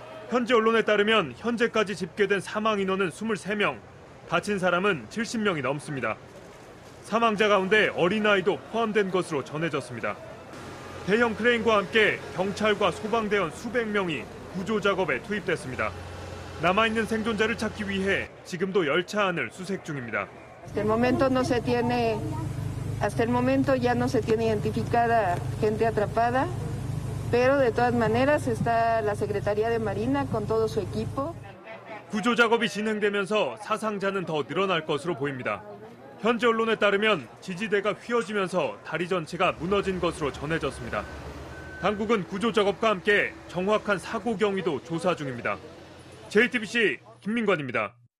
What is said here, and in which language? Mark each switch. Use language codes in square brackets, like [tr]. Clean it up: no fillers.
[ko] 현지 언론에 따르면 현재까지 집계된 사망 인원은 23명, 다친 사람은 70명이 넘습니다. 사망자 가운데 어린아이도 포함된 것으로 전해졌습니다. 대형 크레인과 함께 경찰과 소방대원 수백 명이 구조작업에 투입됐습니다. 남아있는 생존자를 찾기 위해 지금도 열차 안을 수색 중입니다. [es] Hasta el momento no se tiene, hasta el momento ya no se tiene identificada gente atrapada, pero de todas maneras está la Secretaría de Marina con todo su equipo. [ko] 구조작업이 진행되면서 사상자는 더 늘어날 것으로 보입니다. 현지 언론에 따르면 지지대가 휘어지면서 다리 전체가 무너진 것으로 전해졌습니다. 당국은 구조작업과 함께 정확한 사고 경위도 조사 중입니다. JTBC 김민관입니다.